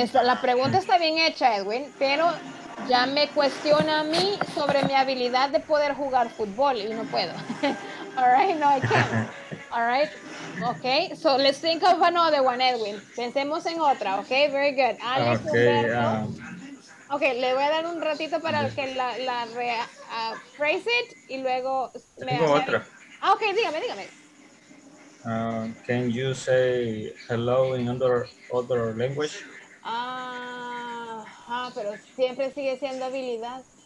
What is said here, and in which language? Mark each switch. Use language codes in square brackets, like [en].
[es] La pregunta está bien hecha, Edwin, pero ya me cuestiona a mí sobre mi habilidad de poder jugar fútbol y no puedo. [en] All right, no, I can't. All right. Okay, so let's think of another one, Edwin. [es] Pensemos en otra, [en] okay? Very good. [es] Alex, [en] okay, [es] okay, le voy a dar un ratito para que la rephrase it y luego me tengo otra. Ah, okay, dígame. [en] Can you say hello in other language? [es] Pero siempre sigue siendo habilidad.